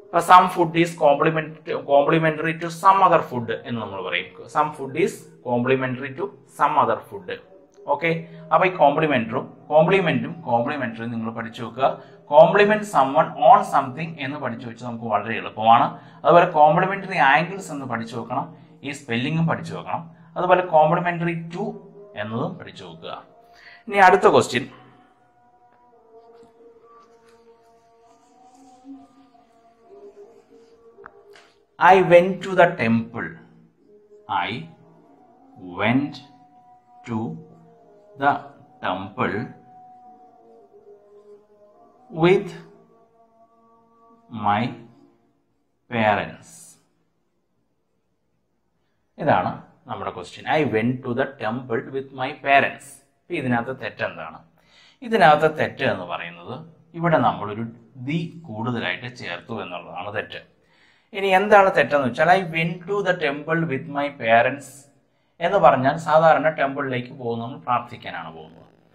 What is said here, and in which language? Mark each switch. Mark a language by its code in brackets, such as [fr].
[en] some food is complementary to some other food [ml] എന്ന് നമ്മൾ പറയും. [en] Some food is complementary to some other food. [ml] Okay, അപ്പോൾ ഈ കോംപ്ലിമെന്ററും കോംപ്ലിമെന്ററും complementary നിങ്ങൾ പഠിച്ചു വെക്കുക. [en] compliment someone on something [ml] എന്ന് പഠിച്ചു വെച്ചാൽ നമുക്ക് വളരെ എളുപ്പമാണ്. അതുപോലെ കോംപ്ലിമെന്ററി ആംഗിൾസ് എന്ന് പഠിച്ചു വെക്കണം, ഈ സ്പെല്ലിങ്ങും പഠിച്ചു വെക്കണം. അതുപോലെ കോംപ്ലിമെന്ററി ടു എന്നതും പഠിച്ചു വെക്കുക. ഇനി അടുത്ത question, [en] I went to the temple. I went to the temple with my parents. [ml] ഇതാണ് നമ്മുടെ question. [en] I went to the temple with my parents. [ml] ഇതിനകത്ത് തെറ്റെന്താണ്? ഇതിനകത്ത് തെറ്റ് എന്ന് പറയുന്നത് ഇവിടെ നമ്മളൊരു ദി കൂടുതലായിട്ട് ചേർത്തു എന്നുള്ളതാണ് തെറ്റ്. ഇനി എന്താണ് തെറ്റെന്ന് വെച്ചാൽ, [en] I went to the temple with my parents [ml] എന്ന് പറഞ്ഞാൽ സാധാരണ ടെമ്പിളിലേക്ക് പോകുന്നു, പ്രാർത്ഥിക്കാനാണ് പോകുന്നത്.